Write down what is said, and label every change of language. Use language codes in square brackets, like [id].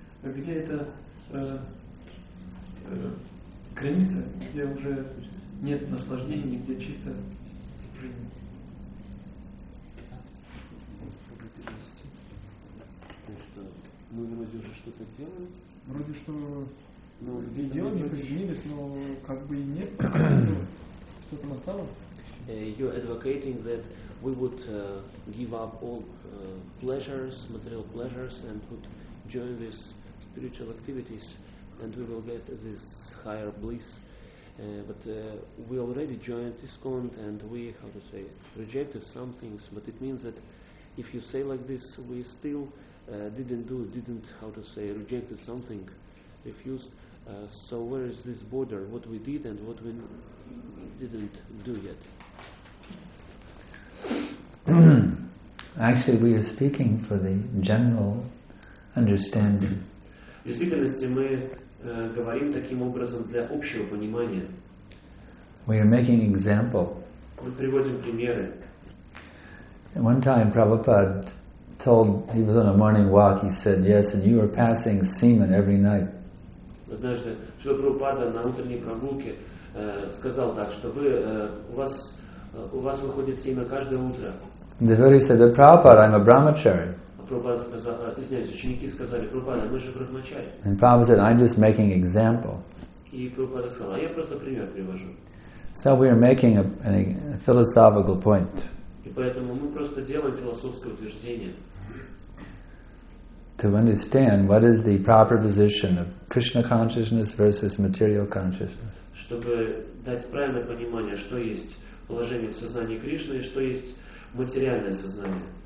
[ru] А где эта граница, где уже нет наслаждений, где чисто принято? Мы вроде уже что-то делаем. Вроде что ну, где делаем, мы присоединились, но как бы и нет. Что-то осталось. [en] You're advocating that we would give up all pleasures, material pleasures, and would join with spiritual activities, and we will get this higher bliss. But we already joined ISKCON, and we, how to say, rejected some things, but it means that if you say like this, we still rejected something, refused. So where is this border? What we did and what we didn't do yet? Actually, we are speaking for the general understanding. [ru] В действительности мы говорим таким образом для общего понимания. [en] We are making example. [ru] Мы приводим примеры. [en] One time, Prabhupada. Told he was on a morning walk. He said, "Yes, and you are passing semen every night." [ru] Однажды Шрила Прабхупада на утренней прогулке сказал так, что вы у вас выходит семя каждое утро. [en] Devotee said, "But Prabhupada, I'm a brahmachari." [ru] Прабхупада сказал, извиняюсь, ученики сказали, Прабхупада, мы же брахмачари. [en] And Prabhupada said, "I'm just making example." [ru] И Прабхупада сказал, я просто пример привожу. [en] So we are making a philosophical point. [ru] И поэтому мы просто делаем философское утверждение. [en] To understand what is the proper position of Krishna consciousness versus material consciousness. [ru] Чтобы дать правильное понимание, что есть положение в сознании Кришны и что есть материальное сознание.